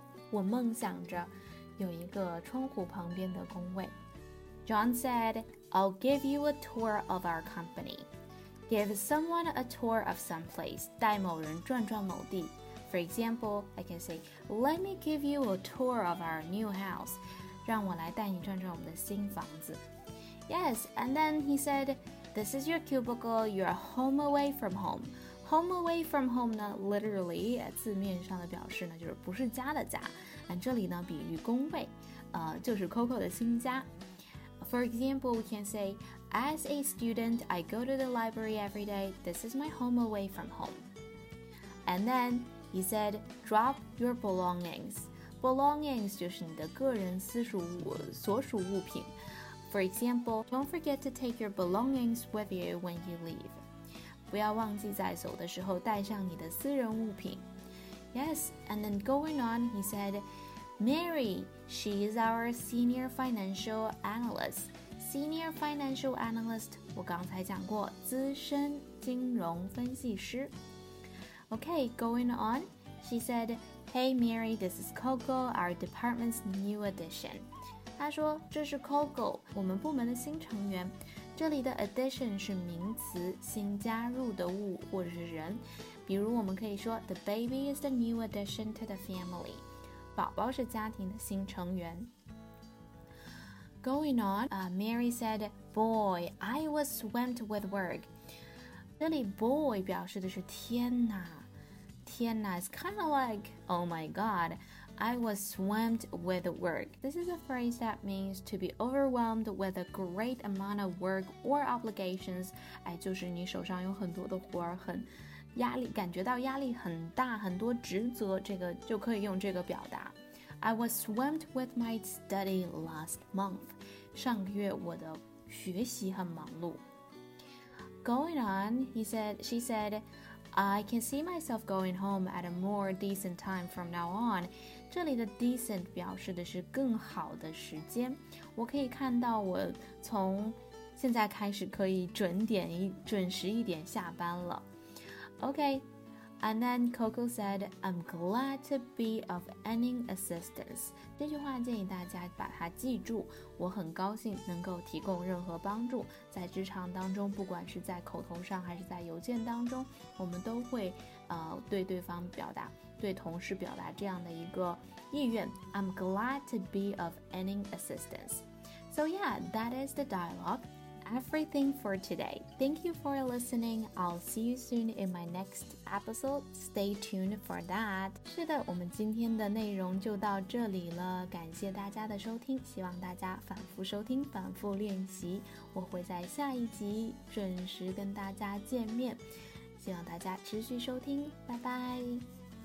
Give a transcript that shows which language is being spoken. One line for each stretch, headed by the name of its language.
Chinese: 我梦想着有一个窗户旁边的工位。
English: John said, I'll give you a tour of our company. Give someone a tour of some place.
Chinese: 带某人转转某地。
English: For example, I can say, Let me give you a tour of our new house.
Chinese: 让我来带你转转我们的新房子。
English: Yes, and then he said, This is your cubicle, your home away from home. Home away from home 呢 literally,
Chinese: 字面上的表示呢就是不是家的家。 And 这里呢比喻工位、就是 Coco 的新家。
English: For example, we can say, As a student, I go to the library every day. This is my home away from home. And then he said, Drop your belongings.
Chinese: Belongings 就是你的个人私属物，所属物品。
English: For example, don't forget to take your belongings with you when you leave.
Chinese: 不要忘记在走的时候带上你的私人物品。
English: Yes, and then going on, he said,Mary, she is our senior financial analyst. Senior financial analyst,
Chinese: 我刚才讲过，资深金融分析师。
English: Okay, going on, she said, Hey Mary, this is Coco, our department's new addition.
Chinese: 她说，这是 Coco, 我们部门的新成员。这里的 addition 是名词，新加入的物或者是人。比如我们可以说 ,
English: The baby is the new addition to the family.
Chinese: 宝宝是家庭的新成员。
English: Going on,、Mary said, Boy, I was swamped with work.
Chinese: 这里 boy 表示的是天哪。天哪
English: is kind of like, oh my god. I was swamped with work. This is a phrase that means to be overwhelmed with a great amount of work or obligations.
Chinese: 哎，就是你手上有很多的活儿，很压力，感觉到压力很大，很多职责，这个就可以用这个表达。
English: I was swamped with my study last month.
Chinese: 上个月我的学习很忙碌。
English: Going on, she said, I can see myself going home at a more decent time from now on.
Chinese: 这里的 decent 表示的是更好的时间。我可以看到我从现在开始可以准时一点下班了。
English: Okay, and then Coco said, I'm glad to be of any assistance.
Chinese: 这句话建议大家把它记住。我很高兴能够提供任何帮助。在职场当中，不管是在口头上还是在邮件当中，我们都会对对方表达，对同事表达这样的一个意愿。
English: I'm glad to be of any assistance. So yeah, that is the dialogue. Everything for today. Thank you for listening. I'll see you soon in my next episode. Stay tuned for that.
Chinese: 是的，我们今天的内容就到这里了。感谢大家的收听，希望大家反复收听，反复练习。我会在下一集准时跟大家见面。希望大家持续收听，拜拜。